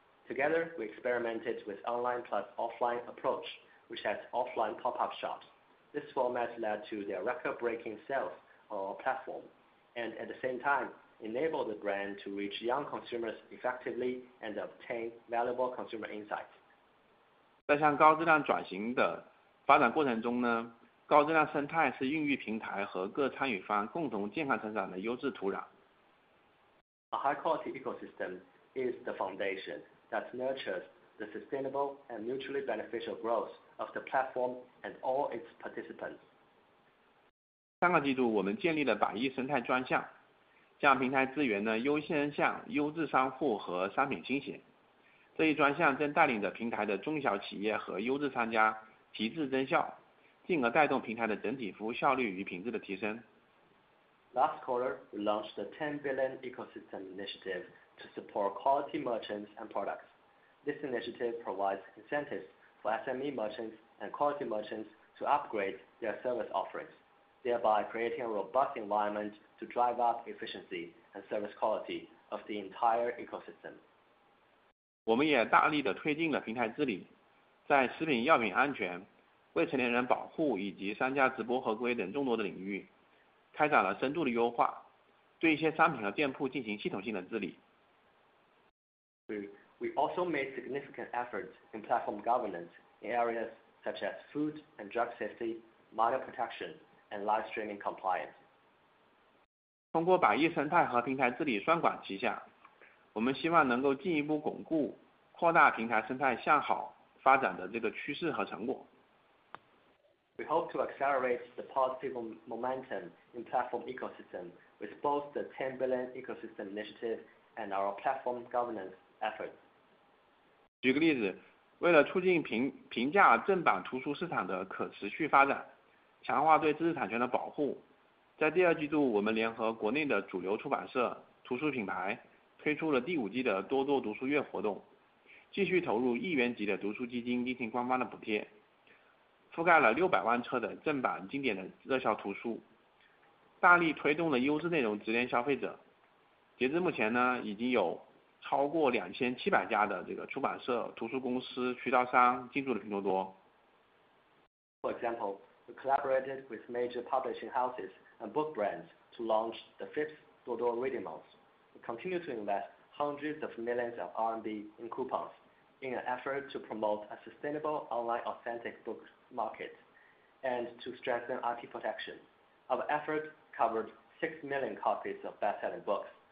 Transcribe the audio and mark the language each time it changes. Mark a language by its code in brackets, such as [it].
[en] Together, we experimented with online plus offline approach, which has offline pop-up shops. This format led to their record-breaking sales on our platform, and at the same time, enabled the brand to reach young consumers effectively and obtain valuable consumer insights. [zh] 在向高质量转型的发展过程中呢，高质量生态是孕育平台和各参与方共同健康成长的优质土壤。 [en] A high-quality ecosystem is the foundation that nurtures the sustainable and mutually beneficial growth of the platform and all its participants. [zh] 上个季度我们建立了百亿生态专项，将平台资源呢优先向优质商户和商品倾斜。这一专项正带领着平台的中小企业和优质商家提质增效，进而带动平台的整体服务效率与品质的提升。 [en] Last quarter, we launched the 10 billion ecosystem initiative to support quality merchants and products. This initiative provides incentives for SME merchants and quality merchants to upgrade their service offerings, thereby creating a robust environment to drive up efficiency and service quality of the entire ecosystem. [zh] 我们也大力地推进了平台治理，在食品药品安全、未成年人保护以及商家直播合规等众多的领域开展了深度的优化，对一些商品和店铺进行系统性的治理。 [en] We also made significant efforts in platform governance in areas such as food and drug safety, minor protection, and live streaming compliance. [zh] 通过百亿生态和平台治理双管齐下，我们希望能够进一步巩固、扩大平台生态向好发展的这个趋势和成果。 [en] We hope to accelerate the positive momentum in platform ecosystem with both the 10 billion ecosystem initiative and our platform governance efforts. [zh] 举个例子，为了促进平价正版图书市场的可持续发展，强化对知识产权的保护，在第二季度我们联合国内的主流出版社、图书品牌推出了第五季的多多读书月活动，继续投入亿元级的读书基金进行官方的补贴，覆盖了600万册的正版经典的热销图书，大力推动了优质内容直连消费者。截至目前呢，已经有超过2700家的这个出版社、图书公司、渠道商进驻了拼多多。 [en] For example, we collaborated with major publishing houses and book brands to launch the fifth 多多 Reading Month. We continue to invest hundreds of millions of RMB in coupons in an effort to promote a sustainable online authentic bookmarket and to strengthen IP protection. Our effort covered 6 million copies of best-selling books,